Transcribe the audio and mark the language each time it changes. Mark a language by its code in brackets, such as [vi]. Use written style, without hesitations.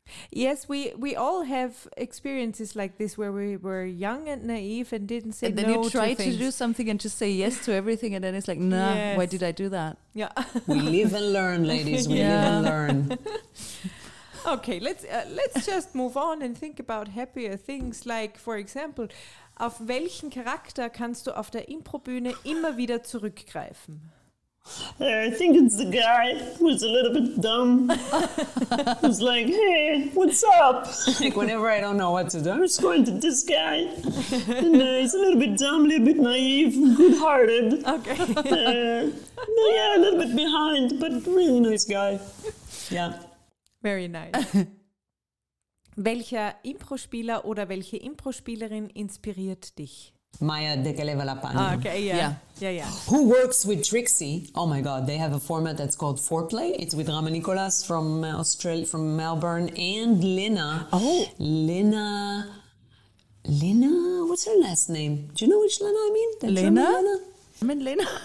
[en] Yes, we all have experiences like this where we were young and naive and didn't say no. And then you try to do something and just say yes to everything, and then it's like, nah, yes. Why did I do that? Yeah. We live and learn, ladies. We live and learn. Okay, let's just move on and think about happier things. Like, for example, [de] auf welchen Charakter kannst du auf der Improbühne immer wieder zurückgreifen? [en] I think it's the guy who's a little bit dumb. Who's like, hey, what's up? Like, whenever I don't know what to do, I'm just going to this guy. And he's a little bit dumb, a little bit naive, good-hearted. Okay. A little bit behind, but really nice guy. Yeah. Very nice. [de] Welcher Impro-Spieler oder welche Impro-Spielerin inspiriert dich? [en] Maya Dekelevalapani. Okay. Who works with Trixie? Oh my God, they have a format that's called Foreplay. It's with Rama Nicholas from Australia, from Melbourne, and Lina. Oh, Lina. What's her last name? Do you know which Lina I mean? Lina. I mean Lina.